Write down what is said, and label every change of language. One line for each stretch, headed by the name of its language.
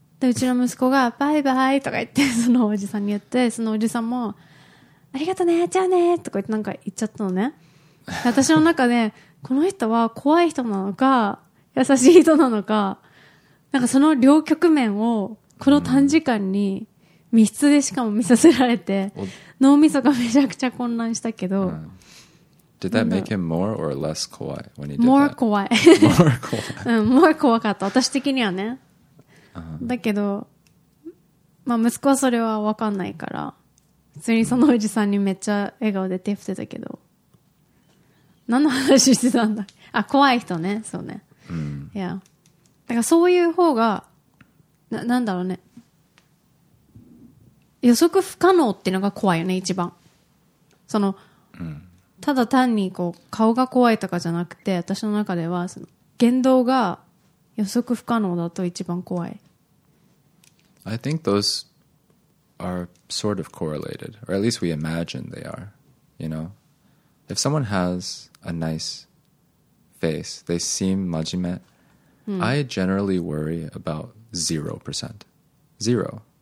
Japanese: でうちの息子がバイバイとか言ってそのおじさんに言ってそのおじさんもありがとうねじゃあねとか言ってなんか言っちゃったのね私の中でこの人は怖い人なのか優しい人なのかなんかその両局面をこの短時間に密室でしかも見させられて、うん、脳みそがめちゃくちゃ混乱したけど、うん
English: Did that make him more or less
Japanese: 怖い
English: when he did more that? More
Japanese: 怖い。
English: More
Japanese: 怖い。うん、
English: more
Japanese: 怖かった。私的にはね。だけど、まあ息子はそれは分かんないから、普通にそのおじさんにめっちゃ笑顔で手振ってたけど、何の話してたんだ。あ、怖い人ね。そうね。いや。だからそういう方が、なんだろうね。予測不可能っていうのが怖いよね、一番。その、ただ単にこう顔が怖いとかじゃなくて私の中ではその言動が予測不可能だと一番怖い
English: I think those are sort of correlated, or at least we imagine they are, you know? If someone has a nice face, they seem
Japanese: 마지메,
English: I generally worry about 0%. Zero.